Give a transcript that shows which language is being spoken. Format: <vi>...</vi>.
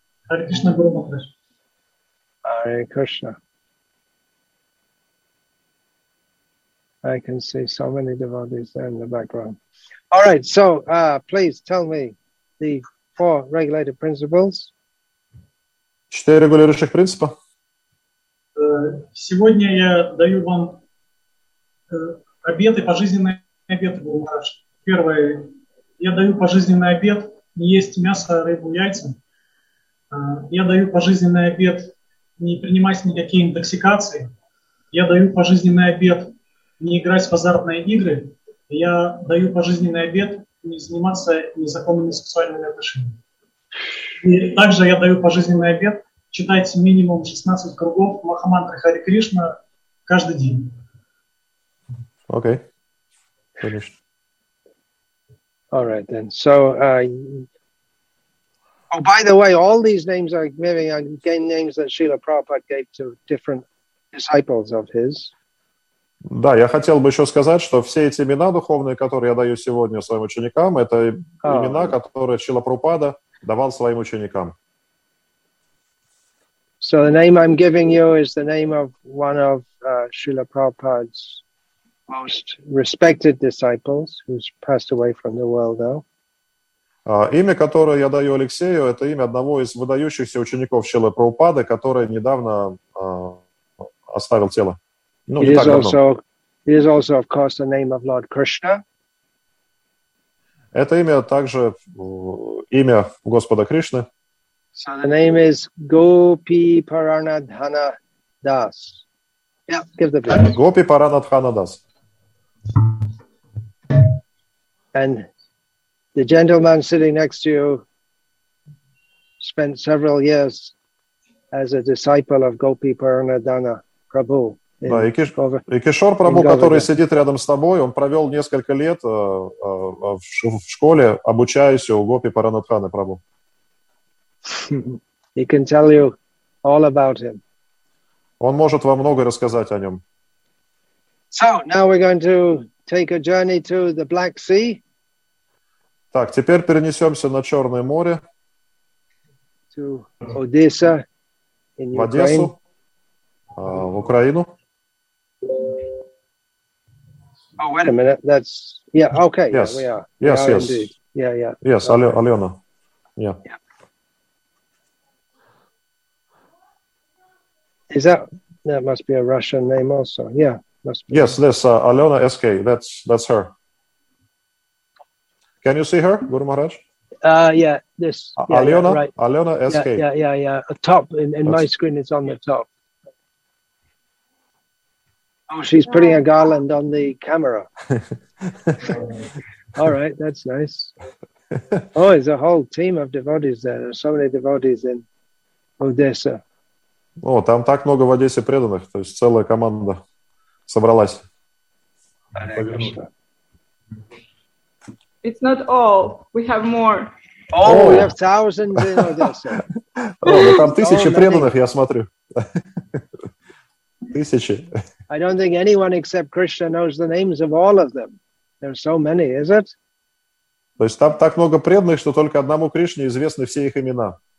<en>Hare Krishna, Guru Maharaj. Hare Krishna. I can see so many devotees there in the background. All right, so please tell me the four regulated principles.</en> <ru>Четыре регулирующих принципа. Сегодня я даю вам обеты, пожизненные обеты. Первое, я даю пожизненный обет не есть мясо, рыбу, яйца. Я даю пожизненный обет не принимать никакие интоксикации. Я даю пожизненный обет не играть в азартные игры. Я даю пожизненный обет не заниматься незаконными сексуальными отношениями. И также я даю пожизненный обет читать минимум 16 кругов Махамантры Хари Кришна каждый день. Окей. Конечно.</ru> <en>All right then. So, oh, by the way, all these names are maybe again names that Srila Prabhupada gave to different disciples of his.</en> <ru>Да, я хотел бы еще сказать, что все эти имена духовные, которые я даю сегодня своим ученикам, это имена, которые Шрила Прабхупада давал своим ученикам.</ru> <en>So the name I'm giving you is the name of one of Srila Prabhupada's most respected disciples, who's passed away from the world now.</en> <ru>Имя, которое я даю Алексею, это имя одного из выдающихся учеников Шрилы Прабхупады, который недавно оставил тело. Ну,</ru> <en>it, is also, of course, the name of Lord Krishna.</en> <ru>Это имя также имя Господа Кришны.</ru> <en>So the name is Gopi Paranadhana Das. Yeah, give the verse. Gopi Paranadhana Das. And the gentleman sitting next to you spent several years as a disciple of Gopi Paranadhana Prabhu.</en> <ru>Да, и Кишор Прабху, который сидит рядом с тобой, он провел несколько лет в школе, обучаясь у Гопи Паранадханы Прабху.</ru> <en>He can tell you all about him.</en> <ru>Он может вам много рассказать о нем.</ru> <en>So, now we're going to take a journey to the Black Sea.</en> <ru>Так, теперь перенесемся на Черное море.</ru> <en>To Odessa in</en> <ru>Ukraine. В Одессу, в Украину.</ru> <en>Oh, wait a minute. That's yeah. Okay. Yes. Yeah, we are. Yes. We are yes. Indeed. Yeah. Yeah. Yes. Okay. Alena. Yeah. Is that must be a Russian name also? Yeah. Must be. Yes. This Alena SK. That's her. Can you see her, Guru Maharaj? Yeah. This. Alena. Yeah, right. Alena SK. Yeah. Top in my screen. It's on the top. Oh, she's putting a garland on the camera. All right, that's nice. Oh, there's a whole team of devotees there. There's so many devotees in Odessa.</en> <ru>Oh, там так много в Одессе преданных. То есть целая команда собралась.</ru> <en>It's not all. We have more. Oh, we have thousands in Odessa.</en> <ru>Oh, там тысячи преданных, я смотрю. Тысячи.</ru> <en>I don't think anyone except Krishna knows the names of all of them. There's so many, is it?</en> <ru>То есть там так много преданных, что только одному Кришне известны все их имена.</ru>